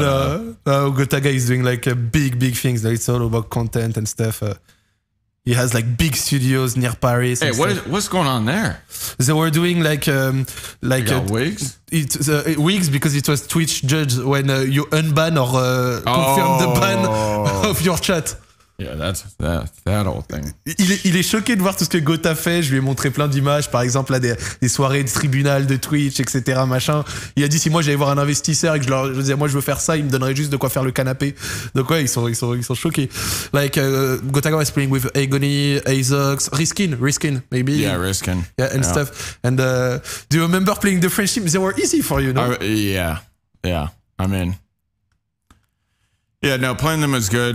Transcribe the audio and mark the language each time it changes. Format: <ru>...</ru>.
<en>No, Gotaga is doing like a big things. It's all about content and stuff. He has like big studios near Paris. Hey, what's going on there? They were doing like you got wigs. It's wigs because it was Twitch judge when you unban or confirm the ban of your chat. Yeah, that's old thing.</en> <fr>Il est choqué de voir tout ce que Gota fait. Je lui ai montré plein d'images, par exemple là, des soirées de tribunal de Twitch, etc. Machin. Il a dit si moi j'allais voir un investisseur et que je disais moi je veux faire ça, il me donnerait juste de quoi faire le canapé. Donc ouais, ils sont choqués.</fr> <en>Like Gotaga was playing with Agony, Azox, Riskin maybe. Yeah, Riskin. Yeah, and stuff. And do you remember playing the French team? They were easy for you, no? Yeah. I mean. Yeah, no, playing them was good.</en>